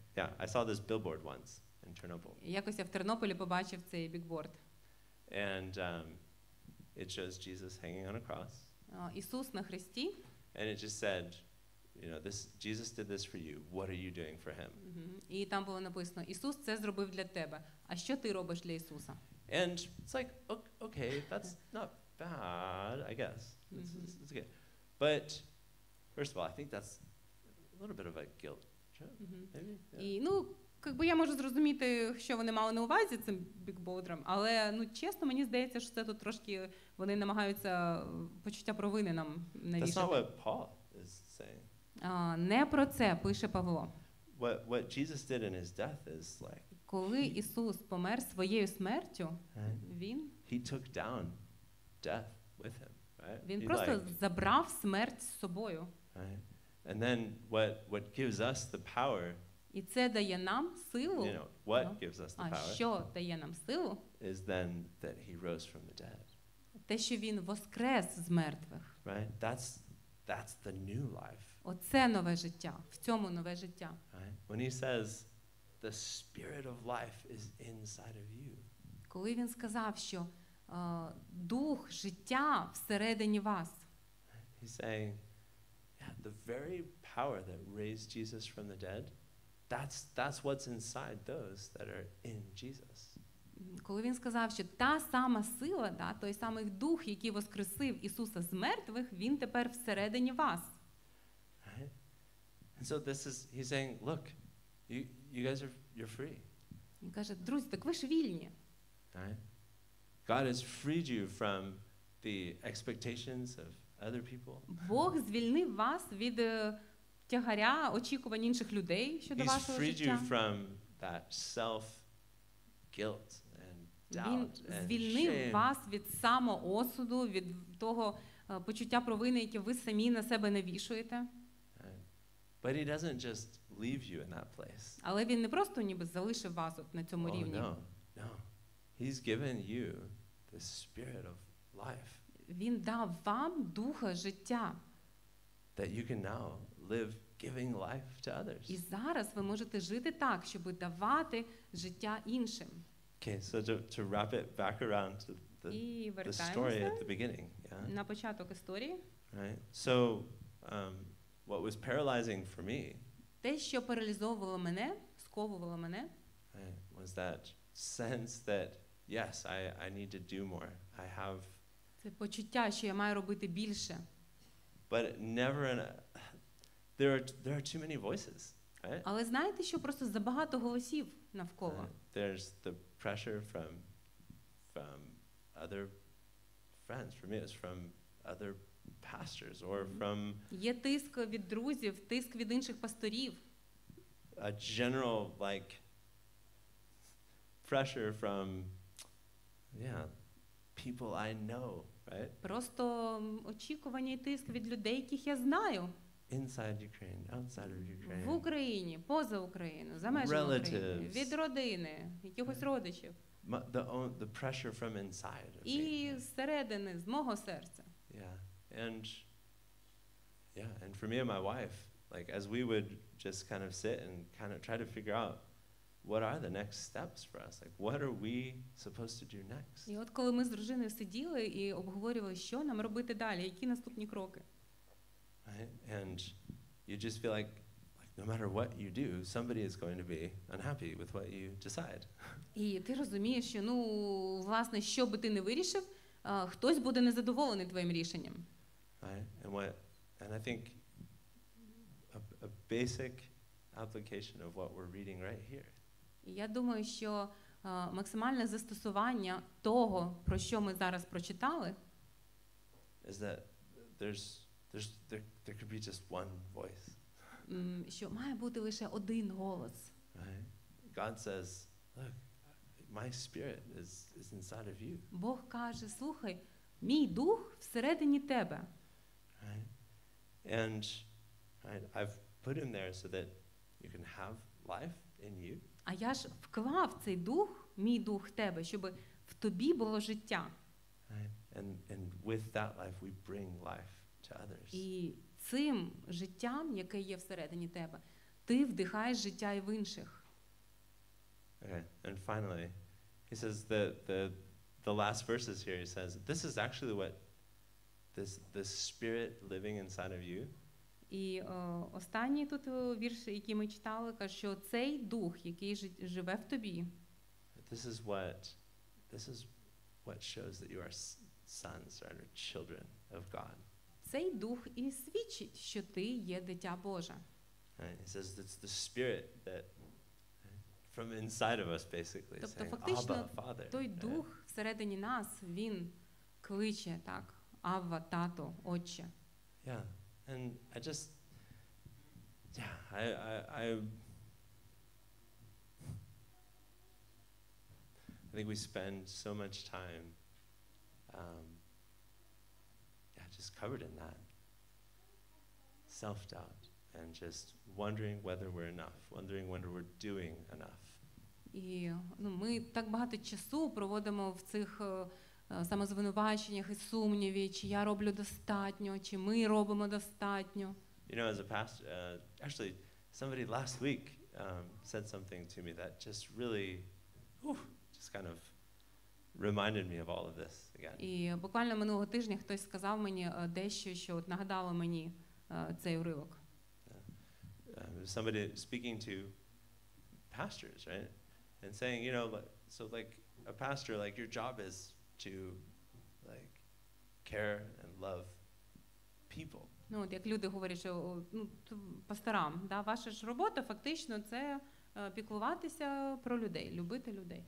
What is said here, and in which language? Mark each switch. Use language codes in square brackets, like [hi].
[en] Yeah, I saw this billboard once in Chernobyl. [uk] Якось я в Тернополі побачив цей бікборд. [en] And it shows Jesus hanging on a cross. [uk] Ісус на хресті. [en] And it just said, you know, this Jesus did this for you. What are you doing for him? [uk] І там було написано: Ісус це зробив для тебе. А що ти робиш для Ісуса? [en] And it's like, okay, that's not bad, I guess. It's good. But first of all, I think that's a little bit of a guilt trip, maybe. [uk] І, ну, якби я можу зрозуміти, що вони мали на увазі цим бікбоудером, але, ну, чесно, мені здається, що це тут трошки вони намагаються почуття провини нам навішати. [en] That's not what Paul is saying. [uk] Не про це пише Павло. [en] What Jesus did in his death is like. [uk] Коли Ісус помер своєю смертю, він [en] He took down death with him, right? [uk] Він просто забрав смерть з собою. [en] Right? And then what gives us the power? [uk] І це дає нам силу. [en] You know, what gives us the power? [uk] А що дає нам силу? [en] Is then that he rose from the dead. [uk] Те, що він воскрес з мертвих. [en] Right? That's the new life. [uk] Оце нове життя. В цьому нове життя. [en] Right? When he says, the spirit of life is inside of you. [uk] Коли він сказав, що дух життя всередині вас. [en] He's saying, yeah, the very power that raised Jesus from the dead, that's what's inside those that are in Jesus. [uk] Коли він сказав, що та сама сила, да, той самий дух, який воскресив Ісуса з мертвих, він тепер всередині вас. [en] Right? And so this is, he's saying, look, you guys you're free. [uk] Він каже, друзі, так ви ж вільні. [en] God has freed you from the expectations of other people. [uk] Бог звільнив вас від тягаря очікувань інших людей щодо вашого життя. [en] He's freed you from that self-guilt. [uk] Він звільнив вас від самоосуду, від того почуття провини, яке ви самі на себе навішуєте. [en] But he doesn't just leave you in that place. [uk] Але він не просто ніби залишив вас от на цьому рівні. [en] No. He's given you the spirit of life. [uk] Він дав вам духа життя. [en] That you can now live giving life to others. [uk] І зараз ви можете жити так, щоб давати життя іншим. [en] Okay, so to wrap it back around to the story at the beginning, yeah. [uk] На початок історії. [en] Right. So, what was paralyzing for me? [uk] Те, що паралізовувало мене, сковувало мене. [en] Right, was that sense that yes, I need to do more. I have. [uk] Це почуття, що я маю робити більше. [en] But never there are too many voices, right? [uk] Але знаєте, що просто забагато голосів навколо. [en] There's the pressure from from other friends. For me, it was from other pastors or from. [uk] Є тиск від друзів, тиск від інших пасторів. [en] A general like pressure from, people I know, right? [uk] Просто очікування і тиск від людей, яких я знаю. [en] Inside Ukraine, outside of Ukraine. [uk] В Україні, поза Україною, за межами України, від родини, якихось родичів. [en] The pressure from inside. [uk] І зсередини, з мого серця. [en] And for me and my wife, like as we would just kind of sit and kind of try to figure out what are the next steps for us? Like what are we supposed to do next? [uk] І от коли ми з дружиною сиділи і обговорювали, що нам робити далі, які наступні кроки? [en] Right? And you just feel like no matter what you do, somebody is going to be unhappy with what you decide. [uk] І ти розумієш, що, ну, власне, що би ти не вирішив, хтось буде незадоволений твоїм рішенням. [en] Right? And I think a basic application of what we're reading right here. [uk] Я думаю, що максимальне застосування того, про що ми зараз прочитали, [en] is that there could be just one voice. [uk] Що має бути лише один голос. [en] God says, look, my spirit is inside of you. [uk] Бог каже, слухай, мій дух всередині тебе. [en] And I've put him there so that you can have life in you. [uk] А я ж вклав цей дух, мій дух в тебе, щоб в тобі було життя. [en] And with that life we bring life. [uk] І цим життям, яке є всередині тебе, ти вдихаєш життя і в інших. [en] Okay. And finally, he says the last verses here, he says, this is actually what this spirit living inside of you. [uk] І останній тут вірш, який ми читали, каже, що цей дух, який живе в тобі. [en] This is what shows that you are sons or children of God. [uk] Цей дух і свідчить, що ти є дитя Боже. [en] It says it's the spirit that from inside of us basically. [uk] Тобто фактично [en] Abba, Father, [uk] той дух всередині нас, він кличе, так, Авва, тато, отче. [en] Yeah. And I just I think we spend so much time just covered in that self-doubt and just wondering whether we're enough, wondering whether we're doing enough. [uk] І, ну, ми так багато часу проводимо в цих самозвинуваченнях і сумніві, чи я роблю достатньо, чи ми робимо достатньо. [en] You know, as a pastor, actually, somebody last week said something to me that just really, just kind of reminded me of all of this again. [uk] І буквально минулого тижня хтось сказав мені дещо, що от нагадало мені цей уривок. [en] Somebody speaking to pastors, right? And saying, you know, so like a pastor, like your job is to like care and love people. [uk] Ну, от як люди говорять, що, ну, пасторам, да, ваша ж робота фактично це піклуватися про людей, любити людей.